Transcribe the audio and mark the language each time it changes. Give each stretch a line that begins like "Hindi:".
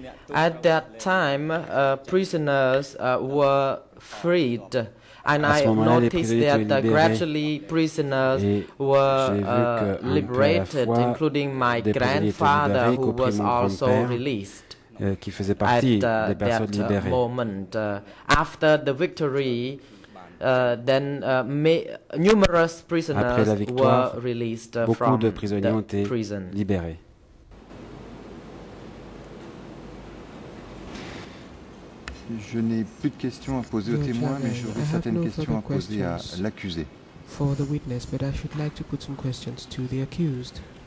English: At that time, prisoners were freed, and I noticed that gradually prisoners were liberated, including my grandfather, who was also released at that moment. After the victory, numerous prisoners were released from the prison.
French: Je n'ai plus de questions à poser au témoin, mais j'aurai certaines questions à poser à l'accusé.
English: For the witness, but I should like to put some questions to the accused.